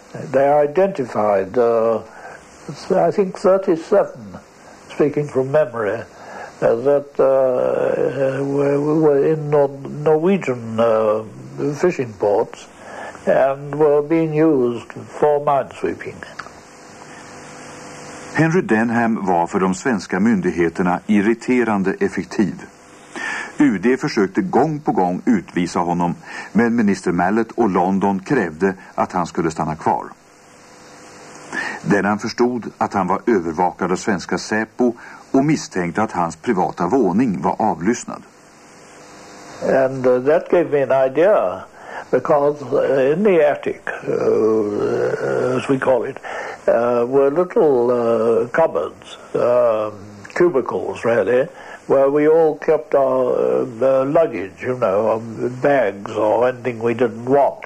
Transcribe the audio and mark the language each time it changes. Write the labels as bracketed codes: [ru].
[en] They identified, I think, 37, speaking from memory, that were in Norwegian fishing ports and were being used for minesweeping. [sv] Henry Denham var för de svenska myndigheterna irriterande effektiv. UD försökte gång på gång utvisa honom, men minister Mallet och London krävde att han skulle stanna kvar. Denham förstod att han var övervakad av svenska Säpo och misstänkte att hans privata våning var avlyssnad. [en] And that gave me an idea, because in the attic, as we call it, were little cupboards, cubicles really, where we all kept our luggage, you know, our bags or anything we didn't want.